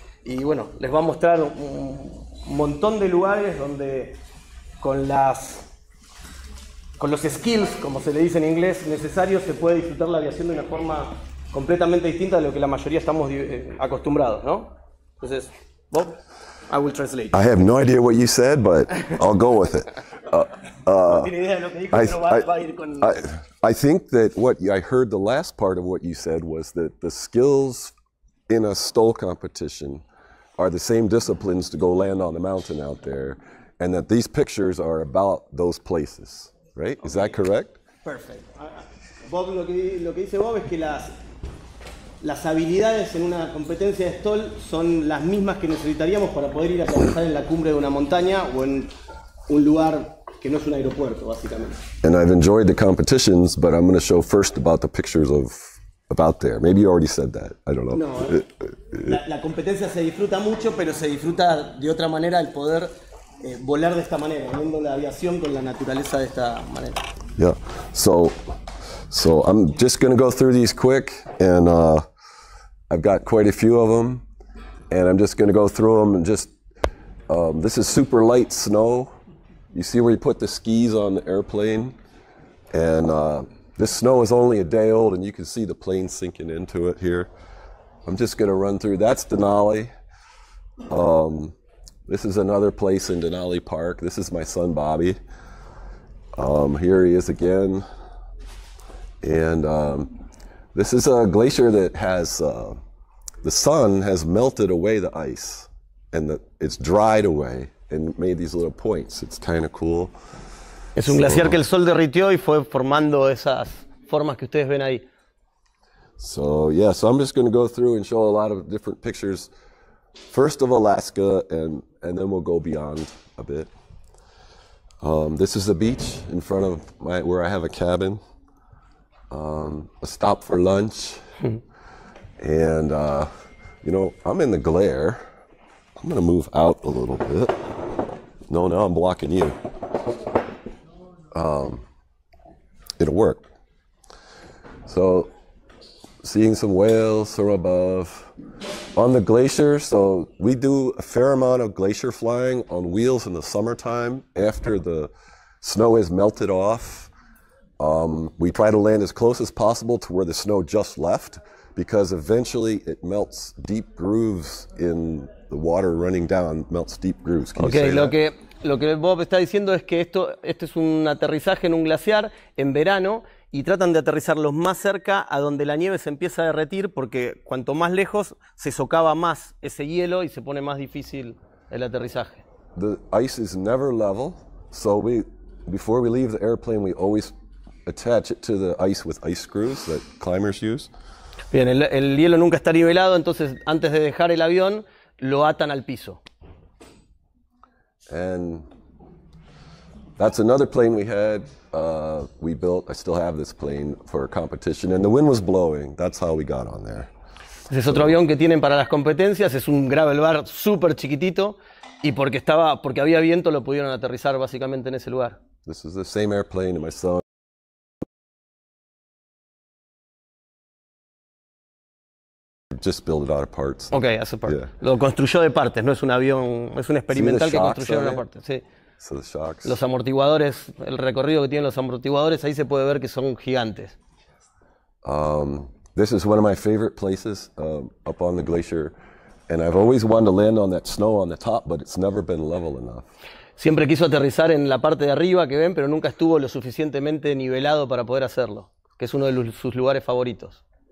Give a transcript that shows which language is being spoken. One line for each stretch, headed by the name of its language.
Spanish: Y bueno, les va a mostrar un montón de lugares donde con los skills, como se le dice en inglés, necesarios, se puede disfrutar la aviación de una forma completamente distinta a lo que la mayoría estamos acostumbrados, ¿no?
English: Entonces, Bob, I will translate. I have no idea what you said, but I'll go with it. I think that what I heard the last part of what you said was that the skills in a STOL competition are the same disciplines to go land on the mountain out there, and that these pictures are about those places, right? Okay. Is that correct? Perfect.
Spanish: Bob, lo que dice Bob es que las habilidades en una competencia de STOL son las mismas que necesitaríamos para poder ir a trabajar en la cumbre de una montaña o en un lugar que no es un aeropuerto, básicamente.
English: And I've enjoyed the competitions, but I'm going to show first about the pictures of about there. Maybe you already said that. I don't know.
Spanish: No, la competencia se disfruta mucho, pero se disfruta de otra manera el poder volar de esta manera, viendo la aviación con la naturaleza de esta manera.
English: Yeah. So I'm just going to go through these quick, and I've got quite a few of them, and I'm just going to go through them and just this is super light snow. You see where you put the skis on the airplane? And this snow is only a day old, and you can see the plane sinking into it here. I'm just going to run through. That's Denali. This is another place in Denali Park. This is my son, Bobby. Here he is again. And this is a glacier that has, the sun has melted away the ice, and it's dried away. And made these little points. It's kind of cool.
Spanish: Es un glaciar que el sol derritió y fue formando esas formas que ustedes ven ahí.
English: So yeah, so I'm just going to go through and show a lot of different pictures. First of Alaska, and then we'll go beyond a bit. This is the beach in front of my where I have a cabin. A stop for lunch, and you know I'm in the glare. I'm going to move out a little bit. No, no, I'm blocking you. It'll work. So, seeing some whales from above. On the glacier, so we do a fair amount of glacier flying on wheels in the summertime after the snow has melted off. We try to land as close as possible to where the snow just left, because eventually it melts deep grooves in the water running down, melts deep grooves. Can okay, you say okay. That?
Spanish: Lo que Bob está diciendo es que este es un aterrizaje en un glaciar en verano y tratan de aterrizarlos más cerca a donde la nieve se empieza a derretir porque cuanto más lejos se socava más ese hielo y se pone más difícil el aterrizaje.
English: The ice is never level, so we before we leave the airplane we always attach it to the ice with ice screws that climbers use.
Spanish: Bien, el hielo nunca está nivelado, entonces antes de dejar el avión lo atan al piso.
English: And that's another plane we had, we built, I still have this plane for a competition, and the wind was blowing, that's how we got on there.
Spanish: Ese es otro avión que tienen para las competencias, es un gravel bar super chiquitito, y porque había viento lo pudieron aterrizar básicamente en ese lugar.
English: This is the same airplane that my son. Just build it out of parts. Okay, as a part. Yeah.
Spanish: Lo construyó de partes, no es un avión, es un experimental que construyeron a partes. Sí.
English: So the shocks.
Spanish: Los amortiguadores, el recorrido que tienen los amortiguadores, ahí se puede ver que son gigantes.
English: This is one of my favorite places up on the glacier, and I've always wanted to land on that snow on the top, but it's never been level enough.
Spanish: Siempre quiso aterrizar en la parte de arriba que ven, pero nunca estuvo lo suficientemente nivelado para poder hacerlo, que es uno de sus lugares favoritos.